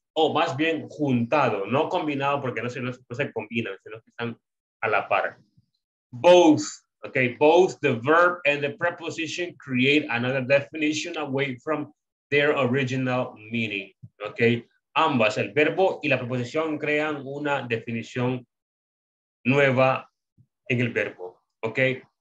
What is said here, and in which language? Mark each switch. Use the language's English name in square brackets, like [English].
[Spanish] O más bien juntado, no combinado porque no se combinan, sino que están a la par. [English] Both, okay, both the verb and the preposition create another definition away from their original meaning, okay. [Spanish] Ambas, el verbo y la preposición crean una definición nueva en el verbo, okay.